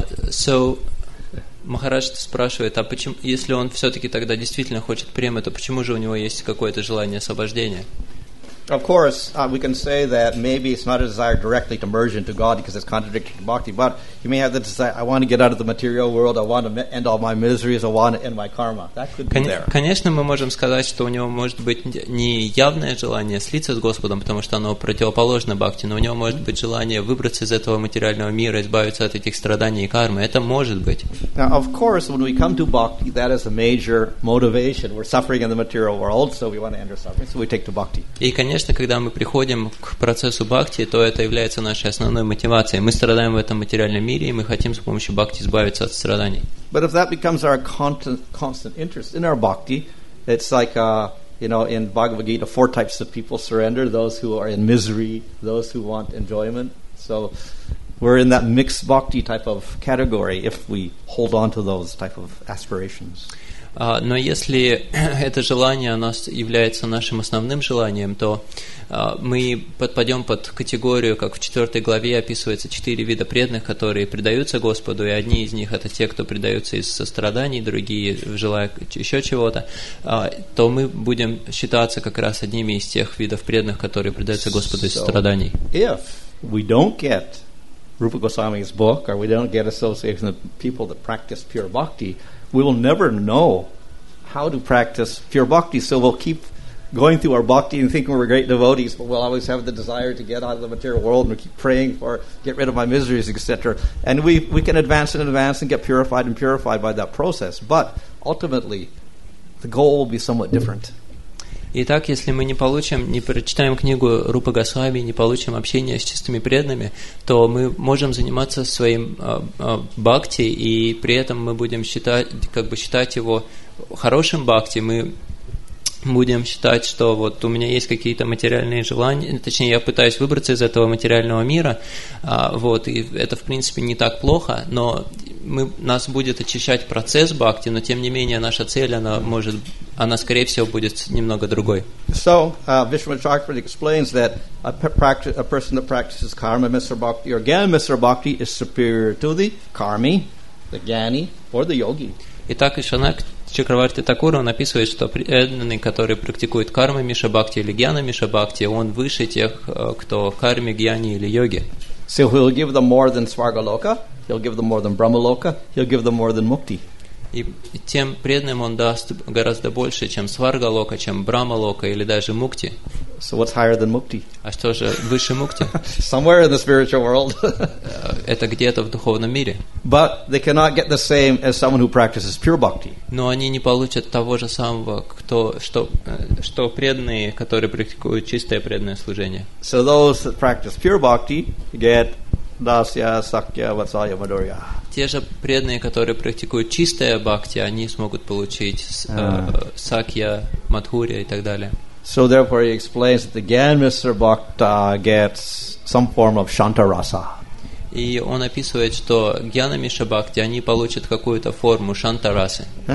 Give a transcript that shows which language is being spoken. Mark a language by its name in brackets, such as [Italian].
[English] So [Russian] Махарадж спрашивает, а почему, если он все-таки тогда действительно хочет премы, то почему же у него есть какое-то желание освобождения? [English] Of course, we can say that maybe it's not a desire directly to merge into God because it's contradictory to bhakti, but he may have the desire, I want to get out of the material world, I want to end all my miseries, I want to end my karma. That could be there. [Russian] Конечно, мы можем сказать, что у него может быть не явное желание слиться с Господом, потому что оно противоположно бхакти, но у него может быть желание выбраться из этого материального мира, избавиться от этих страданий и кармы. Это может быть. [English] Now, of course, when we come to bhakti, that is a major motivation. We're suffering in the material world, so we want to end our suffering, so we take to bhakti. [Russian] Конечно, когда мы приходим к процессу бхакти, то это является нашей основной мотивацией. Мы страдаем в этом материальном мире, и мы хотим с помощью бхакти избавиться от страданий. [English] But if that becomes our constant interest in our bhakti, it's like, you know, in Bhagavad Gita, four types of people surrender: those who are in misery, those who want enjoyment. So we're in that mixed bhakti type of category if we hold on to those type of aspirations. [Russian] Но если это желание оно является нашим основным желанием, то мы подпадем под категорию, как в 4 главе описывается, 4 вида преданных, которые предаются Господу, и одни из них это те, кто предаются из состраданий, другие желая еще чего-то, то мы будем считаться как раз одними из тех видов преданных, которые предаются Господу из страданий. [English] If we don't get Rupa Goswami's book, or we don't get association with people that practice pure bhakti, we will never know how to practice pure bhakti, so we'll keep going through our bhakti and thinking we're great devotees, but we'll always have the desire to get out of the material world and we'll keep praying for get rid of my miseries, etc. And we can advance and advance and get purified and purified by that process, but ultimately the goal will be somewhat different. [Russian] Итак, если мы не получим, не прочитаем книгу Рупа Госвами, не получим общение с чистыми преданными, то мы можем заниматься своим бхакти, и при этом мы будем считать, как бы считать его хорошим бхакти, мы будем считать, что вот у меня есть какие-то материальные желания, точнее, я пытаюсь выбраться из этого материального мира, вот, и это, в принципе, не так плохо, но нас будет очищать процесс бхакти, но, тем не менее, наша цель, она, скорее всего, будет немного другой. [English] So, Vishwan Chakrabarty explains that a person that practices karma, Mr. Bhakti, or Gyan, Mr. Bhakti, is superior to the karmi, the gyani, or the yogi. [Russian] Итак, Чакраварти Такура, он описывает, что преданный, который практикует карму Миша Бхакти или Гьяна Миша Бхакти, он выше тех, кто в карме, гьяне или йоге. [English] So he'll give them more than Svargaloka, he'll give them more than Brahmaloka, he'll give them more than Mukti. [Russian] И тем преданным он даст гораздо больше, чем Сваргалока, чем Брамалока или даже Мукти. [English] So what's higher than Mukti? [Russian] А что же выше Мукти? [English] Somewhere in the spiritual world. [Russian] Это где-то в духовном мире. [English] But they cannot get the same as someone who practices pure bhakti. [Russian] Но они не получат того же самого, что преданные, которые практикуют чистое преданное служение. [English] So those that practice pure bhakti get Dasya, Sakya, Vatsalya, Madhurya. [Russian] Те же преданные, которые практикуют чистое бхакти, они смогут получить Сакья, Мадхурья и так далее. [English] So therefore he explains that the Gyan Mr. Bhakta gets some form of Shantarasa. [Russian] И он описывает, что Гьяна Миша Бхакти, они получат какую-то форму Шантарасы.